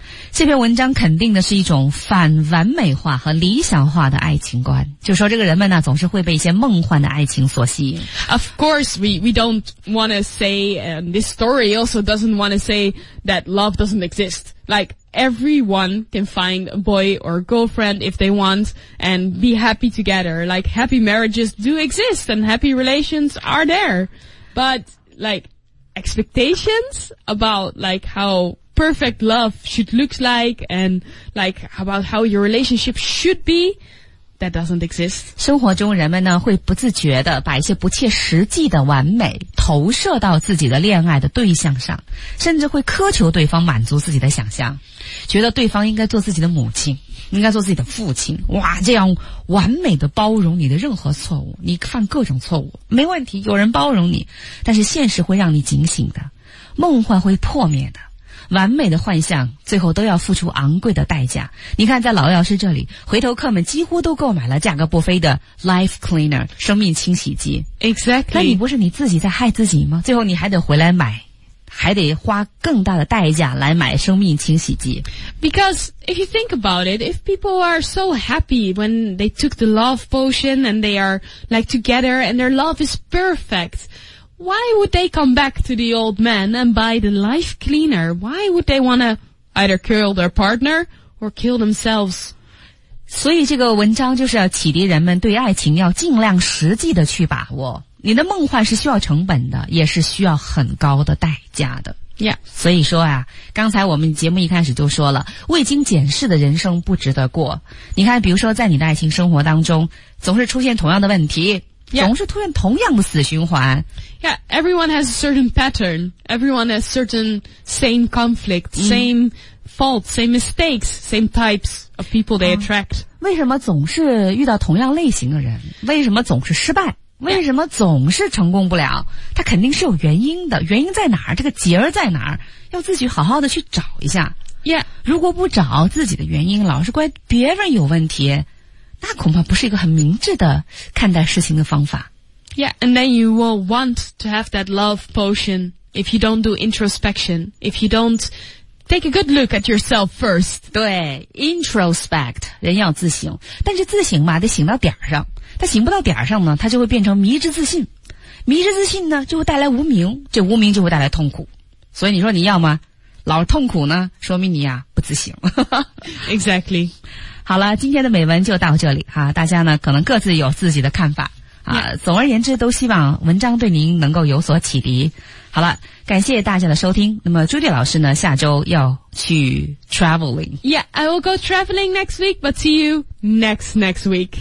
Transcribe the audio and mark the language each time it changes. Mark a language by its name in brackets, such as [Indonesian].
[Chinese] 这篇文章肯定的是一种反完美化和理想化的爱情观，就说这个人们呢总是会被一些梦幻的爱情所吸引。 [English] Of course, we don't want to say, and this story also doesn't want to say that love doesn't exist. Like, everyone can find a boy or girlfriend if they want and be happy together. Like, happy marriages do exist and happy relations are there. But, like, expectations about, like, howperfect love should look like and like about how your relationship should be, that doesn't exist. [Chinese] 生活中人们呢会不自觉地把一些不切实际的完美投射到自己的恋爱的对象上，甚至会苛求对方满足自己的想象，觉得对方应该做自己的母亲，应该做自己的父亲，哇，这样完美的包容你的任何错误，你犯各种错误没问题，有人包容你，但是现实会让你警醒的，梦幻会破灭的，完美的幻象最后都要付出昂贵的代价。你看在老药师这里，回头客们几乎都购买了价格不菲的 life cleaner 生命清洗剂。 [English] Exactly. [Chinese] 那你不是你自己在害自己吗？最后你还得回来买，还得花更大的代价来买生命清洗剂。 [English] Because if you think about it, if people are so happy when they took the love potion and they are like together and their love is perfect,Why would they come back to the old man and buy the life cleaner? Why would they want to either kill their partner or kill themselves? [Chinese] 所以这个文章就是要启迪人们对爱情要尽量实际的去把握。你的梦幻是需要成本的，也是需要很高的代价的。 [English] Yeah. [Chinese] 所以说啊，刚才我们节目一开始就说了，未经检视的人生不值得过。你看，比如说在你的爱情生活当中，总是出现同样的问题。 [English] Yeah. [Chinese] 总是出现同样的死循环。 [English] Yeah, everyone has a certain pattern. Everyone has certain same conflict,、mm. same faults, same mistakes, same types of people they attract. [Chinese] 为什么总是遇到同样类型的人？为什么总是失败？为什么总是成功不了？它肯定是有原因的，原因在哪儿？这个结儿在哪儿？要自己好好的去找一下。 [English] Yeah. [Chinese] 如果不找自己的原因，老是怪别人有问题，那恐怕不是一个很明智的看待事情的方法。 [English] Yeah, and then you will want to have that love potion if you don't do introspection, if you don't take a good look at yourself first. [Chinese] 对 ,introspect, 人要自省。但是自省嘛得醒到点上。他醒不到点上呢他就会变成迷之自信。迷之自信呢就会带来无明，这无明就会带来痛苦。所以你说你要吗老痛苦呢说明你呀不自省。 [English] exactly. [Chinese] 好了今天的美文就到这里哈、啊、大家呢可能各自有自己的看法。啊、总而言之都希望文章对您能够有所启迪。好了感谢大家的收听。那么朱莉老师呢下周要去 traveling. [English] Yeah, I will go traveling next week, but see you next week.